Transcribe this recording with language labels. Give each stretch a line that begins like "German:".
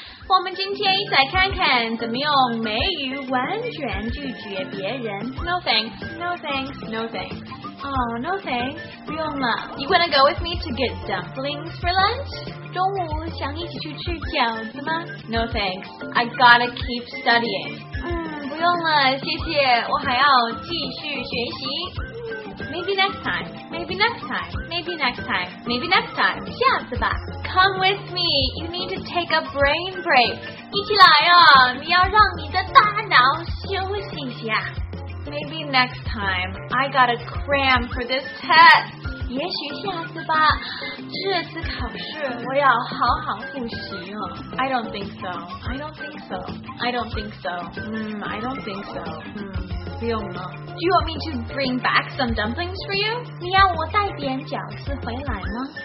Chinese: 我们今天一起来看看怎么用美语完全拒绝别人。
English: No thanks, no thanks, no thanks. Oh, no thanks,
Chinese: 不用了。
English: You wanna go with me to get dumplings for lunch?
Chinese: 中午想一起去吃饺子吗？
English: No thanks, I gotta keep studying.
Chinese: 不用了，谢谢，我还要继续学习。
English: Maybe next time, maybe next time, maybe next time, maybe next time,
Chinese: 下次吧。
English: Come with me, you need to take a brain break.
Chinese: 一起来哦，你要让你的大脑休息一下。
English: Maybe next time, I gotta cram for this test.
Chinese: 也许下次吧，这次考试我要好好复习哦。
English: I don't think so, I don't think so, I don't think so, I don't think so,
Chinese: 不用了。
English: Do you want me to bring back some dumplings for you?
Chinese: 你要我带点饺子回来吗？